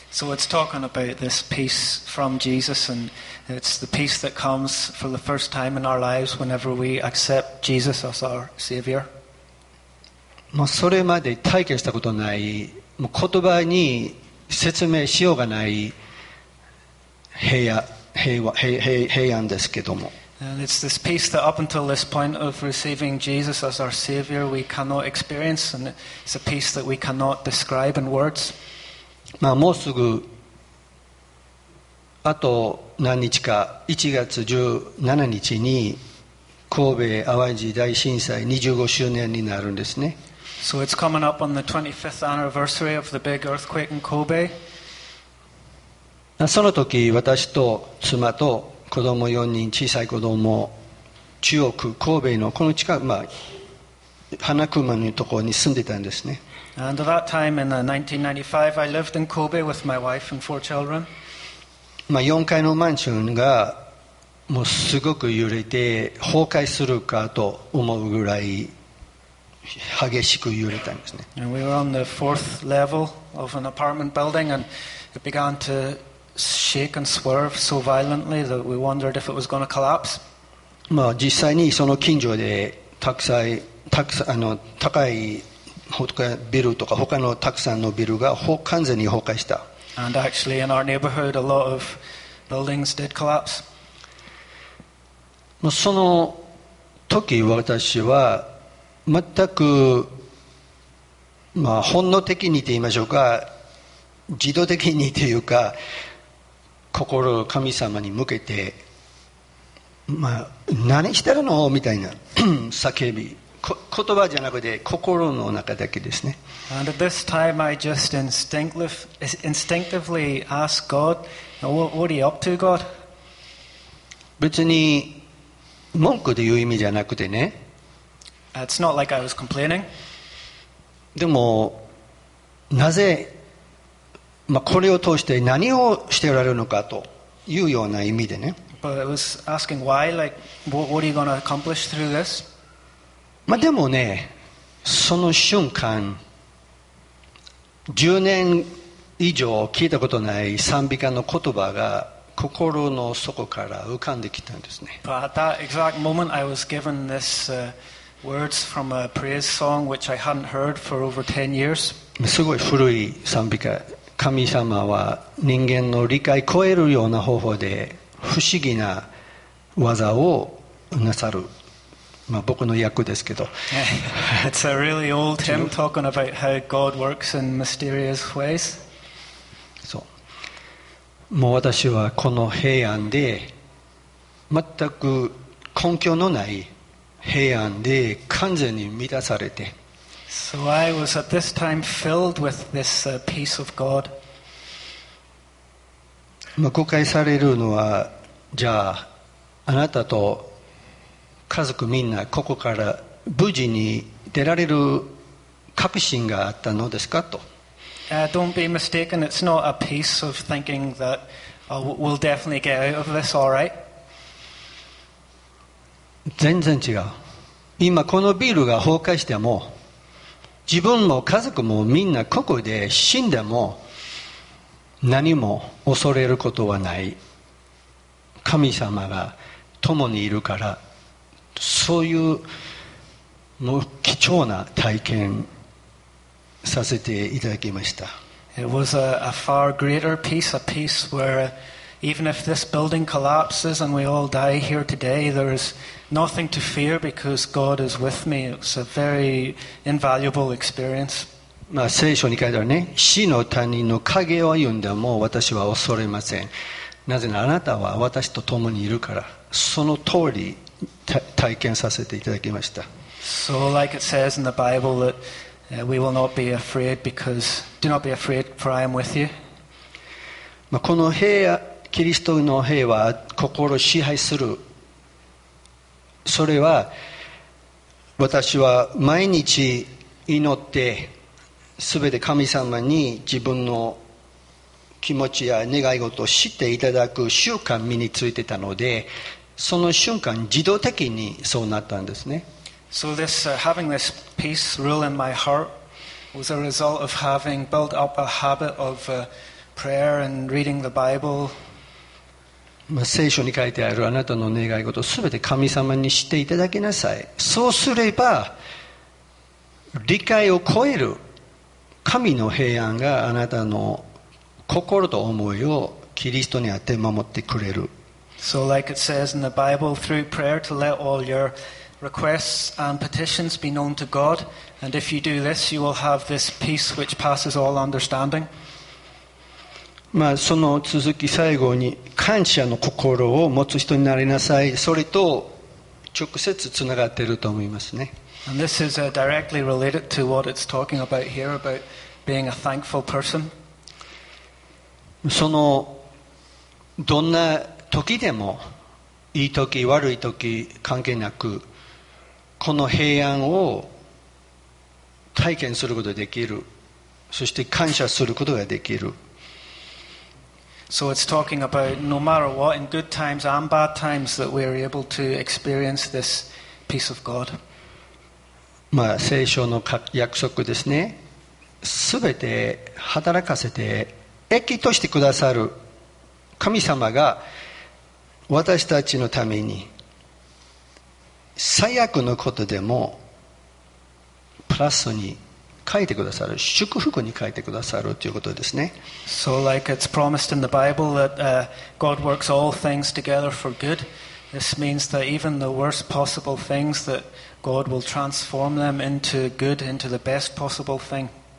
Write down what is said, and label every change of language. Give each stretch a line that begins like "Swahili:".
English: So it's talking about this peace from Jesus, and it's the peace that comes for the first time in our lives whenever we accept Jesus as our Savior.
Japanese: もうそれまで体験したことない、もう言葉に説明しようがない平和。平安ですけども。
English: And it's this peace that up until this point of receiving Jesus as our Savior, we cannot experience, and it's a peace that we cannot describe in words.
Japanese: まあもうすぐあと何日か、1月17日に神戸淡路大震災25周年になるんですね。
English: So it's coming up on the 25th anniversary of the big earthquake in Kobe.
Japanese: その時私と妻と子供4人小さい子供中央区神戸のこの近く、まあ、花熊のところに住んでたんですね。
English: And at that time in 1995 I lived in Kobe with my wife and four children.
Japanese: まあ4階のマンションがもうすごく揺れて崩壊するかと思うぐらい激しく揺れたんですね。
English: And we were on the fourth level of an apartment building and it began toshake and swerve so violently that we wondered if it was going to collapse.
Japanese: まあ実際にその近所でたくさん高いビルとか他のたくさんのビルが完全に崩壊した。
English: And actually in our neighborhood a lot of buildings did collapse.
Japanese: まあその時私は全くまあ本能的にと言いましょうか自動的にというか心を神様に向けて、まあ、何してるのみたいな叫び、言葉じゃなくて心の中だけですね。
English: And at this time I just instinctively ask God, what are you up to, God?
Japanese: 別に文句で言う意味じゃなくてね、
English: It's not like I was complaining.
Japanese: でもなぜ、まあ、これを通して何をしておられるのかというような意味でね。
English: But it was asking why, like, what are you going to accomplish through this?
Japanese: まあ、でもね、その瞬間、10年以上聞いたことない賛美歌の言葉が心の底から浮かんできたんですね。
English: But at that exact moment, I was given this, words from a praise song which I hadn't heard for over 10 years.
Japanese: すごい古い賛美歌。神様は人間の理解を超えるような方法で不思議な技をなさる。まあ、僕の訳ですけど。
English: It's a really old hymn talking about how God works in mysterious ways.
Japanese: そう。もう私はこの平安で、全く根拠のない平安で完全に満たされて。
English: So I was at this time filled with this peace of God.
Japanese: まあ、誤解されるのは、じゃあ、あなたと家族みんなここから無事に出られる確信があったのですかと。
English: Don't be mistaken. It's not a piece of thinking that we'll definitely get out of this all right.
Japanese: 全然違う。今このビルが崩壊しても、自分も家族もみんなここで死んでも、何も恐れることはない。神様が共にいるから。そういう、もう貴重な体験させていただきました。
English: It was a far greater peace, a peace where even if this building collapses and we all die here today, there is nothing to fear because God is with me. It's a very invaluable experience.
Japanese: まあ聖書に書いてあるね、死の谷の影を歩んでも私は恐れません。なぜならあなたは私と共にいるから。その通り。体験させていただきました。
English: So like it says in the Bible that we will not be afraid because do not be afraid for I am with you.
Japanese: まあ、この平和、キリストの平和、心を支配する。それは私は毎日祈って、すべて神様に自分の気持ちや願い事を知っていただく習慣身についてたので。その瞬間自動的にそうなったんですね。
English: So this, having this peace rule in my heart was a result of having built up a habit of prayer and reading the Bible.
Japanese: 聖書に書いてあるあなたの願い事をすべて神様に知っていただきなさい。そうすれば理解を超える神の平安があなたの心と思いをキリストにあって守ってくれる。
English: So like it says in the Bible, through prayer to let all your requests and petitions be known to God. And if you do this, you will have this peace which passes all understanding.
Japanese: まあその続き最後に感謝の心を持つ人になりなさい。それと直接つながっていると思いますね。
English: And this is directly related to what it's talking about here about being a thankful person.
Japanese: そのどんな時でもいい時悪い時関係なくこの平安を体験することができる、そして感謝することができる。
English: So it's talking about no matter what, in good times and bad times, that we are able to experience this peace of God.
Japanese: まあ聖書の約束ですね。すべて働かせて益としてくださる神様が私たちのために最悪のことでもプラスに書いてくださる、祝福に書いてくださるということですね。
English: So like it's promised in the Bible that God works all things together for good. This means that even the worst possible things that God will transform them into good, into the best possible thing.